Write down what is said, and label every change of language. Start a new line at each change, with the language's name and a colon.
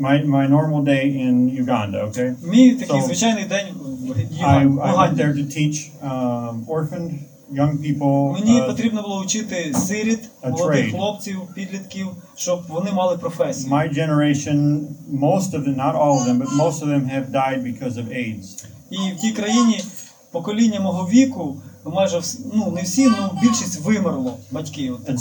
English: My normal day in Uganda, okay?
Ukrainian: Мій такий звичайний день в Уганді.
English: I went there to teach orphaned young people.
Ukrainian: Мені потрібно було вчити сиріт, молодих хлопців, підлітків, щоб вони мали професію.
English: My generation, most of them, not all of them, but most of them have died because of AIDS.
Ukrainian: І в тій країні покоління мого віку, майже, не всі, але більшість вимерло, батьки.